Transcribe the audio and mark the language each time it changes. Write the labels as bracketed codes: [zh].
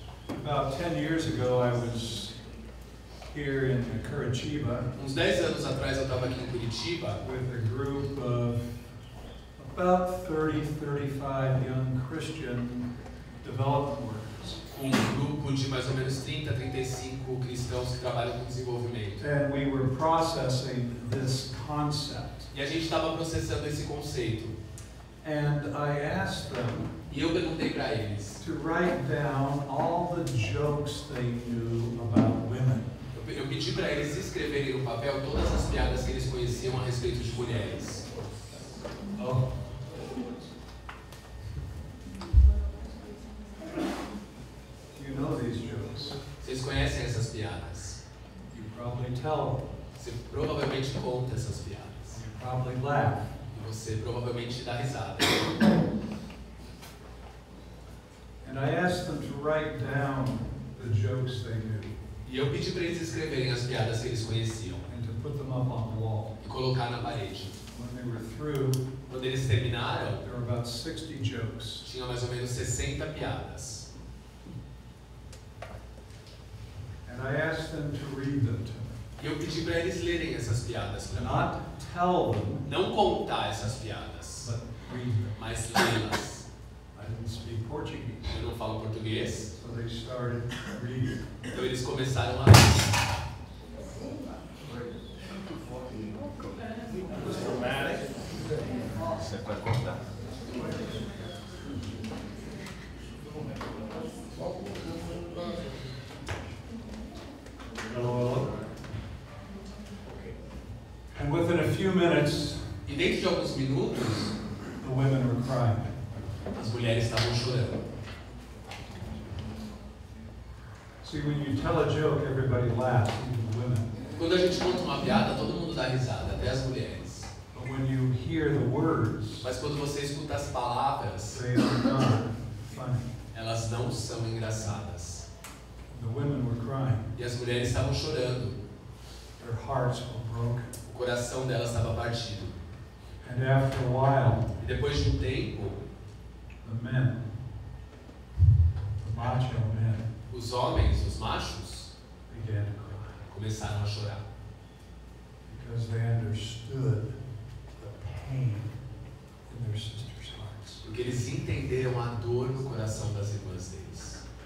[en] About 10 years ago, I was here in Curitiba. [pt] Uns 10 anos atrás, eu estava aqui em Curitiba. [en] With a group of about 30, 35 young Christian development workers. [pt] Um grupo de mais ou menos 30, 35 cristãos que trabalham com desenvolvimento. [en] And we were processing this concept. [pt] E a gente estava processando esse conceito. [en] And I asked them, [pt] e eu perguntei para eles, [en] to write down all the jokes they knew about women. [pt] Eu pedi para eles escreverem no papel todas as piadas que eles conheciam a respeito de mulheres. [en] Oh. You know these jokes. [pt] Vocês conhecem essas piadas? [en] You probably tell. [pt] Você provavelmente conta essas piadas. [en] You probably laugh. [pt] E você provavelmente dá risada. [en] And I asked them to write down the jokes they knew. [pt] E eu pedi para eles escreverem as piadas que eles conheciam. [en] And to put them up on the wall. [pt] E colocar na parede. [en] When they were through, [pt] quando eles terminaram, [en] there were about 60 jokes. [pt] Tinha mais ou menos 60 piadas. [en] And I asked them to read them to me. [pt] E eu pedi para eles lerem essas piadas. [en] Not tell them, [pt] não contar essas piadas, [en] but read them. [pt] Mas lê-las. [en] I didn't speak Portuguese. [pt] Eu não falo português. [en] So they started reading. [pt] Então eles começaram a ler. [en] It was dramatic. [pt] Você pode contar. [en] Hello, hello. And within a few minutes, [pt] e dentro de alguns minutos, [en] the women were crying. [pt] As mulheres estavam chorando. [en] See, when you tell a joke, everybody laughs, even the women. [pt] Quando a gente conta uma piada, todo mundo dá risada, até as mulheres. [en] But when you hear the words, [pt] mas quando você escuta as palavras, [en] they are not funny. [pt] Elas não são engraçadas. [en] The women were crying. [pt] E as mulheres estavam chorando. [en] Their hearts were broken. [pt] O coração delas estava partido. [en] And after a while, [pt] e depois de tempo, [en] the men, the macho men, [pt] os homens, os machos, [en] began to cry. [pt] Começaram a chorar. [en] Because they understood the pain in their sisters' hearts. [pt] Porque eles entenderam a dor no coração das irmãs deles.